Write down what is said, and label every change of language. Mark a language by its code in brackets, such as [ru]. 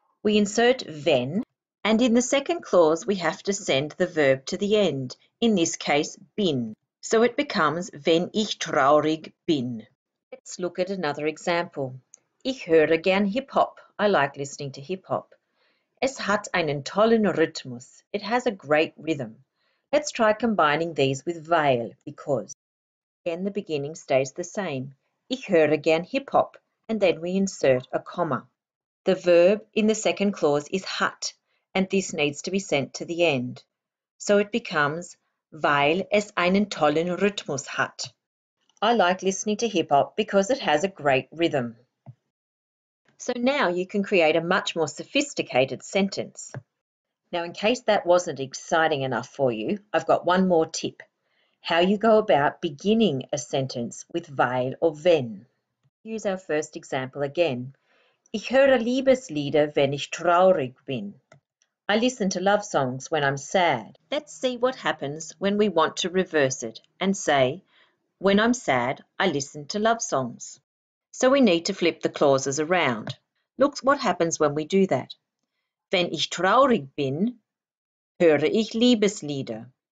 [en] We insert wenn, and in the second clause we have to send the verb to the end, in this case bin. So it becomes, [de] wenn ich traurig bin. [en] Let's look at another example. [de] Ich höre gern Hip-Hop. [en] I like listening to Hip-Hop. [de] Es hat einen tollen Rhythmus. [en] It has a great rhythm. Let's try combining these with weil, because. Again, the beginning stays the same. [de] Ich höre gern Hip-Hop. [en] And then we insert a comma. The verb in the second clause is hat, and this needs to be sent to the end. So it becomes, [de] weil es einen tollen Rhythmus hat. [en] I like listening to Hip-Hop because it has a great rhythm. So now you can create a much more sophisticated sentence. Now, in case that wasn't exciting enough for you, I've got one more tip. How you go about beginning a sentence with weil or wenn. Use our first example again. [de] Ich höre Liebeslieder, wenn ich traurig bin. [en] I listen to love songs when I'm sad. Let's see what happens when we want to reverse it and say, when I'm sad, I listen to love songs. So we need to flip the clauses around. Look what happens when we do that. [de] Wenn ich traurig bin, höre ich Liebeslieder.